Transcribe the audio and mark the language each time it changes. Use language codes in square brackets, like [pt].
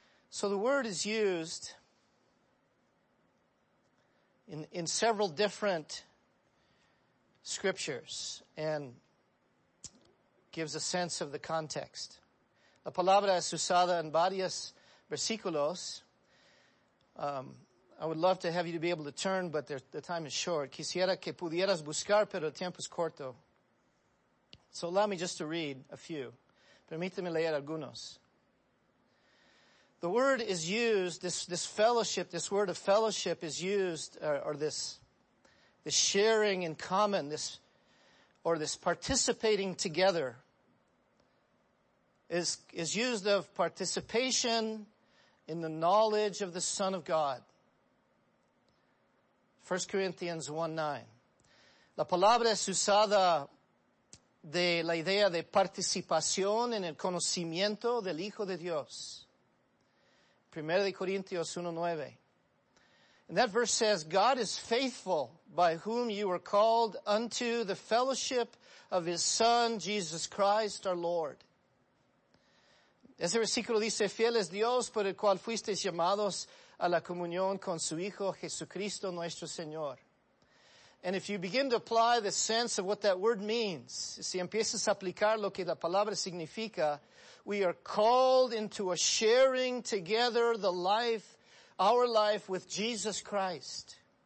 [en] So the word is used in several different scriptures and gives a sense of the context. [es] La palabra es usada en varios versículos. [en] I would love to have you to be able to turn, but the time is short. [es] Quisiera que pudieras buscar, pero el tiempo es corto. [en] So allow me just to read a few. [es] Permíteme leer algunos. [en] The word is used, this fellowship, this word of fellowship is used, or this sharing in common, this participating together is used of participation in the knowledge of the Son of God. 1 Corinthians 1:9. [es] La palabra es usada de la idea de participación en el conocimiento del Hijo de Dios. [en] 1 Corinthians 1:9. And that verse says, God is faithful by whom you were called unto the fellowship of His Son, Jesus Christ, our Lord. [es] Ese versículo dice, fiel es Dios por el cual fuisteis llamados a la comunión con su Hijo, Jesucristo nuestro Señor. [en] And if you begin to apply the sense of what that word means, [es] si empiezas a aplicar lo que la palabra significa, [en] we are called into a sharing together the life, our life with Jesus Christ.